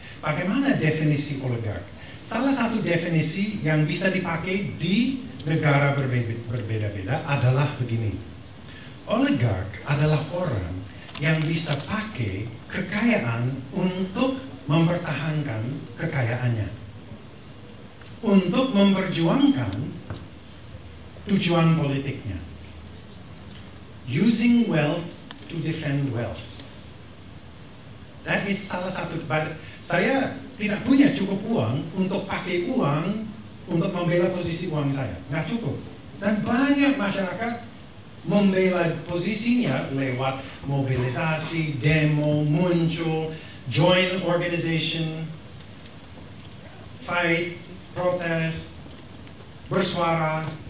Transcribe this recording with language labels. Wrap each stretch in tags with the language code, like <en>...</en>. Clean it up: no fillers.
<id>Bagaimana definisi oligark? Salah satu definisi yang bisa dipakai di negara berbeda-beda adalah begini. Oligark adalah orang yang bisa pakai kekayaan untuk mempertahankan kekayaannya, untuk memperjuangkan tujuan politiknya.</id> <en>Using wealth to defend wealth. That is</en> <id>salah satu. But saya tidak punya cukup uang untuk pakai uang untuk membela posisi uang saya. Nggak cukup. Dan banyak masyarakat membela posisinya lewat mobilisasi, demo, muncul,</id> <en>join organization, fight,</en> <id>protes, bersuara.</id>